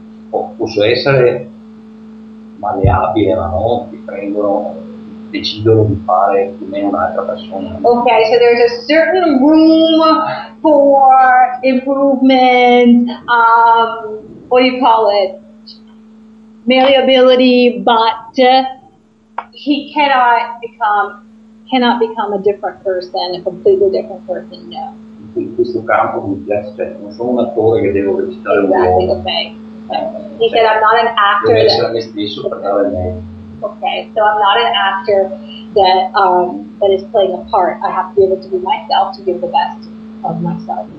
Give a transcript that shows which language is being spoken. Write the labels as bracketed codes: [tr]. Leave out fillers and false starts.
[it] Posso essere maleabile, no? Ti prendono, decidono di fare di me un'altra persona. [en] Okay, so there's a certain room for improvement, what do you call it? Maleability, but he cannot become a different person, a completely different person, no. [it] In questo campo mi piace, cioè, non sono un attore che devo recitare un esatto, uomo. [en] Okay. He said, I'm not an actor. Okay, so I'm not an actor that that is playing a part. I have to be able to be myself to give the best of myself.